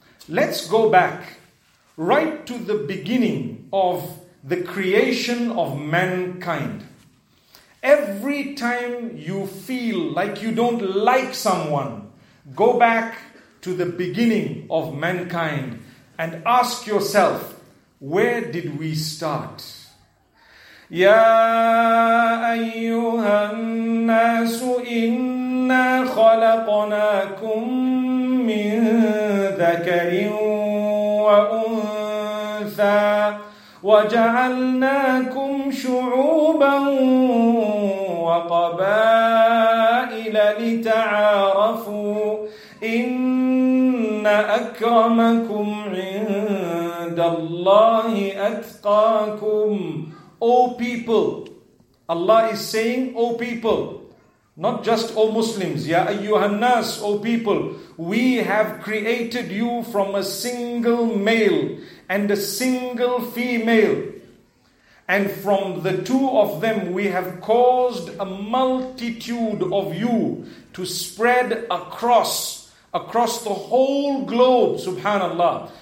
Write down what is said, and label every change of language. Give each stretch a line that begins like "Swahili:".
English: Let's go back right to the beginning of the creation of mankind. Every time you feel like you don't like someone, go back to the beginning of mankind and ask yourself, where did we start?
Arabic: يا أيها الناس إنا خلقناكم من ذكر وأنثى وجعلناكم شعوبا وقبائل لتعارفوا إن أكرمكم عند الله أتقاكم.
English: O people, Allah is saying, O people, not just O Muslims, Ya Ayyuhannas, O people, we have created you from a single male and a single female. And from the two of them, we have caused a multitude of you to spread across the whole globe, subhanallah.